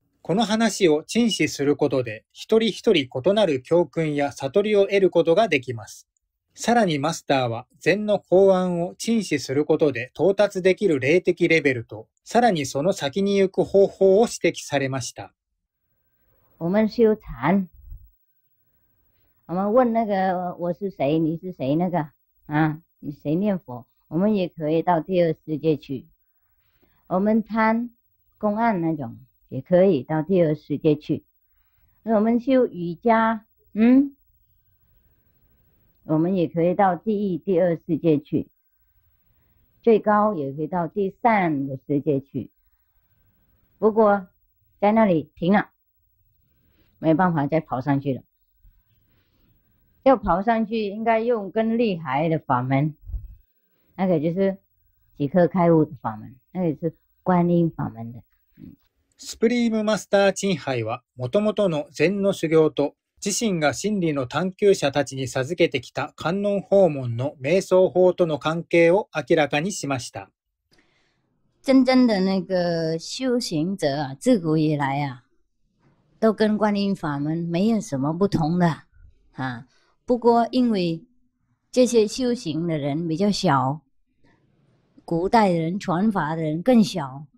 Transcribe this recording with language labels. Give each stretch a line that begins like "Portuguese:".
Japanese: この話を陳詩することで、一人一人異なる教訓や悟りを得ることができます。さらにマスターは、禅の公案を陳詩することで到達できる霊的レベルと、さらにその先に行く方法を指摘されました。
Chinese: 我们修禅。我们问那个我是谁、你是谁那个、啊、你谁念佛、我们也可以到第二世界去。我们参公案那种、也可以到第二世界去。我们修瑜伽、嗯我们也可以到第一、第二世界去，最高也可以到第三的世界去。不过在那里停了，没办法再跑上去了。要跑上去，应该用更厉害的法门，那个就是即刻开悟的法门，那个是观音法门的。
Japanese: スプリームマスター陳海は、もともとの禅の修行と自身が真理の探求者たちに授けてきた観音法門の瞑想法との関係を明らかにしました。
Chinese: 真正的那个修行者啊，自古以来啊，都跟观音法门没有什么不同的啊。不过因为这些修行的人比较小，古代人传法的人更小，